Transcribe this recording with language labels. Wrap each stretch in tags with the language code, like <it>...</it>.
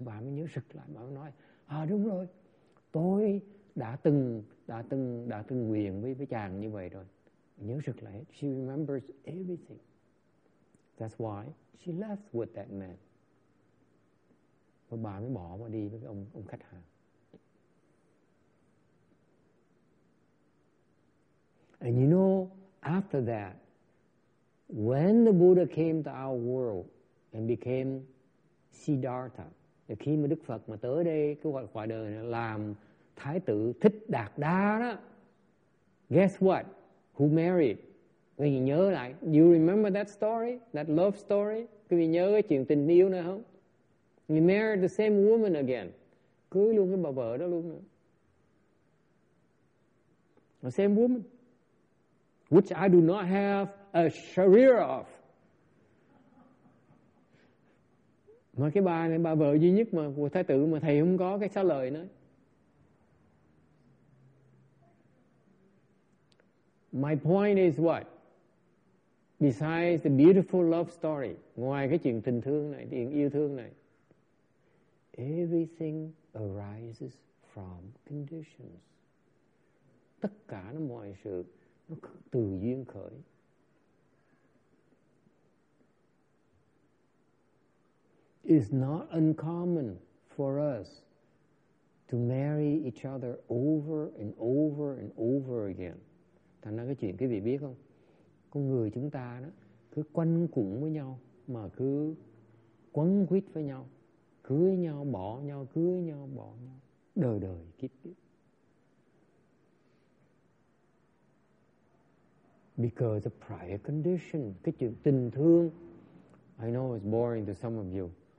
<vi>Bà mới nhớ sực lại, bà mới nói, à đúng rồi, tôi đã từng nguyện với chàng như vậy rồi. Nhớ sực lại,</vi> <en>she remembers everything. That's why she left with that man.</en> <vi>Bà mới bỏ mà đi với cái ông khách hàng.</vi> <en>And you know, after that, when the Buddha came to our world and became Siddhartha,</en> <vi>Thì khi mà Đức Phật mà tới đây, cái gọi quả đời này làm Thái tử Thích Đạt Đa đó,</vi> <en>guess what? Who married?</en> <vi>Quý vị nhớ lại,</vi> <en>you remember that story? That love story?</en> <vi>Quý vị nhớ cái chuyện tình yêu này không?</vi> <en>He married the same woman again.</en> <vi>Cưới luôn cái bà vợ đó luôn.</vi> <en>The same woman. Which I do not have a sharia of.</en> <vi>Mà cái bà này, bà vợ duy nhất mà của Thái tử mà thầy không có cái xá lời nữa.</vi> <en>My point is what? Besides the beautiful love story,</en> <vi>ngoài cái chuyện tình thương này,</vi> <en>chuyện yêu thương này, everything arises from conditions.</en> <vi>Tất cả nó mọi sự nó từ duyên khởi.</vi> <en>It's not uncommon for us to marry each other over and over and over again.</en> <vi>Thành ra cái chuyện quý vị biết không? Con người chúng ta đó cứ quanh quẩn với nhau mà cứ quấn quýt với nhau, cưới nhau bỏ nhau, cưới nhau bỏ nhau, đời đời kiếp kiếp.</vi> <en>Because of prior condition,</en> <vi>cái chuyện tình thương.</vi> <en>I know it's boring to some of you.</en>